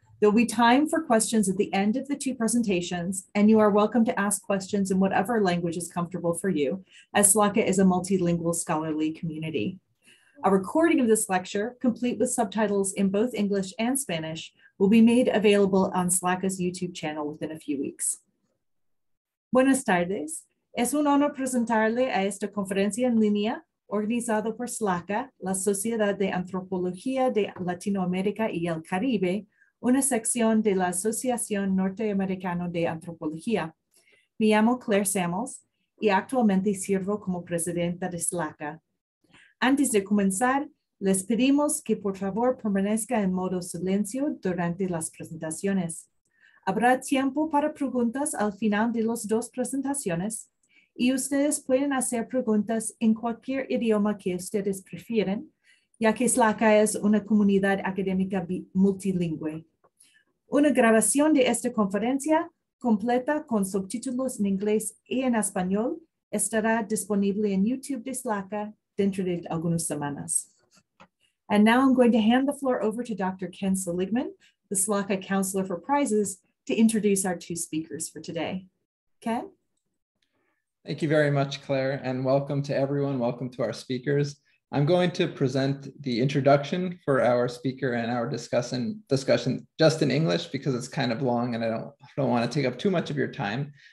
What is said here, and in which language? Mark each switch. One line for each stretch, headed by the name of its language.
English: There'll be time for questions at the end of the two presentations, and you are welcome to ask questions in whatever language is comfortable for you, as SLACA is a multilingual scholarly community. A recording of this lecture, complete with subtitles in both English and Spanish, will be made available on SLACA's YouTube channel within a few weeks.
Spanish: Buenas tardes. Es un honor presentarle a esta conferencia en línea, organizado por SLACA, la Sociedad de Antropología de Latinoamérica y el Caribe, una sección de la Asociación Norteamericana de Antropología. Me llamo Claire Samuels y actualmente sirvo como presidenta de SLACA. Antes de comenzar, les pedimos que por favor permanezca en modo silencio durante las presentaciones. Habrá tiempo para preguntas al final de las dos presentaciones y ustedes pueden hacer preguntas en cualquier idioma que ustedes prefieren, ya que SLACA es una comunidad académica multilingüe. Una grabación de esta conferencia, completa con subtítulos en inglés y en español, estará disponible en YouTube de SLACA dentro de algunas semanas.
English: And now I'm going to hand the floor over to Dr. Ken Seligman, the SLACA Counselor for Prizes, to introduce our two speakers for today. Ken? Thank you very much, Claire, and welcome to everyone. Welcome to our speakers. I'm going to present the introduction for our speaker and our discussion just in English because it's kind of long and I don't want to take up too much of your time.